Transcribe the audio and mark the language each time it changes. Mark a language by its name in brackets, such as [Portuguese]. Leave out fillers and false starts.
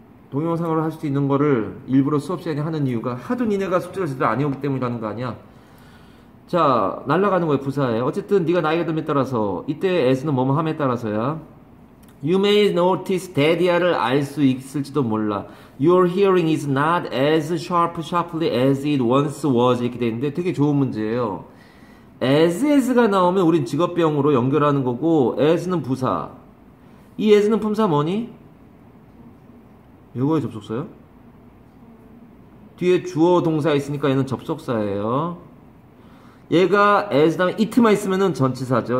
[Korean] 동영상으로 할수 있는 거를 일부러 수업 시간에 하는 이유가 하도 니네가 숙제를 제대로 안 해오기 때문이라는 거 아니야? 자, 날라가는 거야, 부사에. 어쨌든 네가 나이가 됨에 따라서, 이때 as는 뭐뭐 함에 따라서야. [English] You may notice [Korean] 데디아를 알수 있을지도 몰라. [English] Your hearing is not as sharply as it once was. [Korean] 이렇게 돼 있는데 되게 좋은 문제예요. as가 나오면 우린 직업병으로 연결하는 거고, as는 부사. 이 as는 품사 뭐니? 이거에 접속사요? 뒤에 주어 동사 있으니까 얘는 접속사예요. 얘가 as 다음에 it만 있으면은 전치사죠.